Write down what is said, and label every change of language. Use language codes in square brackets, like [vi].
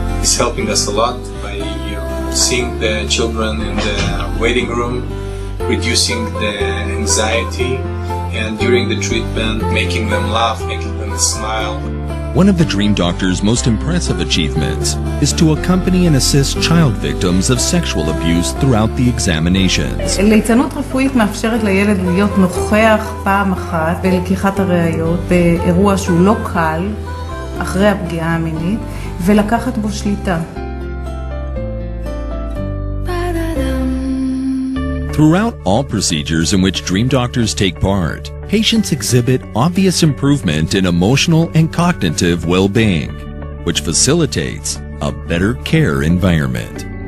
[en] He's helping us a lot by seeing the children in the waiting room, reducing the anxiety, and during the treatment, making them laugh, making them smile. One of the dream doctor's most impressive achievements is to accompany and assist child victims of sexual abuse throughout the examinations. [he] ליצנות רפואית מאפשרת לילד להיות נוכח פעם אחת בלקיחת הראיות באירוע שהוא לא קל אחרי הפגיעה המינית ולקחת בו שליטה. [en] Throughout all procedures in which dream doctors take part, patients exhibit obvious improvement in emotional and cognitive well-being, which facilitates a better care environment.